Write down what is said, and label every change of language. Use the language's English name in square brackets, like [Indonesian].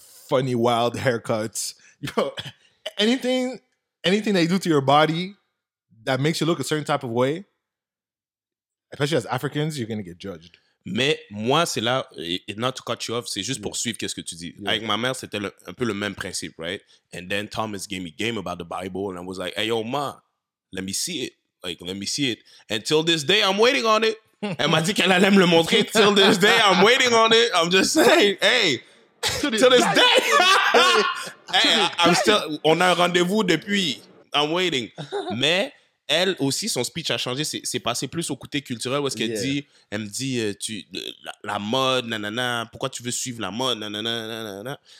[English] Funny wild haircuts, you know, anything that you do to your body that makes you look a certain type of way, especially as Africans, you're gonna get judged. [French] Mais moi, c'est là, et [English] not to cut you off, [French] c'est juste pour suivre qu'est-ce que tu dis. Avec ma mère, c'était un peu le même principe, right? [English] And then Thomas gave me game about the Bible, and I was like, hey yo, ma, let me see it. Like, let me see it. Until this day, I'm waiting on it. [French] Elle m'a dit qu'elle allait me le montrer. [English] Till this day, I'm waiting on it. I'm just saying, hey. To this day, [French] on a un rendez-vous depuis. [English] I'm waiting. [French] Mais elle aussi, son speech a changé. C'est passé plus au côté culturel où est-ce qu'elle dit, elle me dit, la mode, nanana, pourquoi tu veux suivre la mode, nanana, nanana.